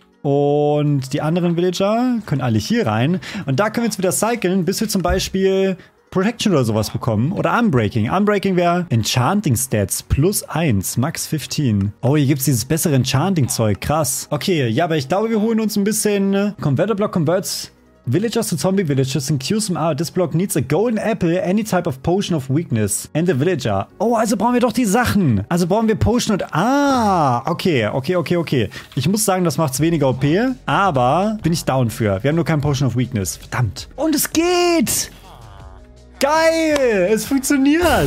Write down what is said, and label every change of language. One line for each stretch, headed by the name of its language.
German: Und die anderen Villager können alle hier rein. Und da können wir jetzt wieder cyclen, bis wir zum Beispiel Protection oder sowas bekommen. Oder Unbreaking. Unbreaking wäre Enchanting Stats plus 1, max 15. Oh, hier gibt es dieses bessere Enchanting-Zeug. Krass. Okay, ja, aber ich glaube, wir holen uns ein bisschen Converter Block Converts.
English: Villagers to Zombie Villagers in QSMR. This block needs a golden apple, any type of potion of weakness. And the villager.
German: Oh, also brauchen wir doch die Sachen. Also brauchen wir Potion und... Okay. Ich muss sagen, das macht's weniger OP. Aber bin ich down für. Wir haben nur kein Potion of Weakness. Verdammt. Und es geht. Geil. Es funktioniert.